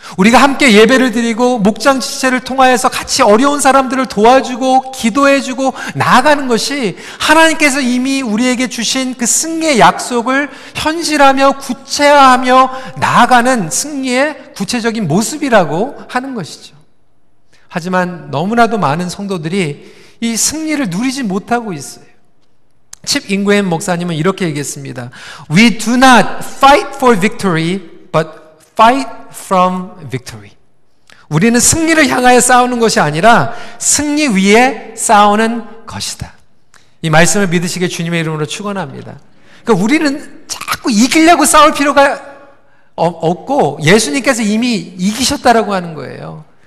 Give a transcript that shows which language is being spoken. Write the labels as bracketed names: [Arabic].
[Korean] 우리가 함께 예배를 드리고 목장 지체를 통하여서 같이 어려운 사람들을 도와주고 기도해주고 나아가는 것이 하나님께서 이미 우리에게 주신 그 승리의 약속을 현실하며 구체화하며 나아가는 승리의 구체적인 모습이라고 하는 것이죠. 하지만 너무나도 많은 성도들이 이 승리를 누리지 못하고 있어요. 칩 잉그햄 목사님은 이렇게 얘기했습니다. [English] We do not fight for victory, but fight from victory. [Korean] 우리는 승리를 향하여 싸우는 것이 아니라 승리 위에 싸우는 것이다. 이 말씀을 믿으시게 주님의 이름으로 축원합니다. 그러니까 우리는 자꾸 이기려고 싸울 필요가 없고 예수님께서 이미 이기셨다라고 하는 거예요.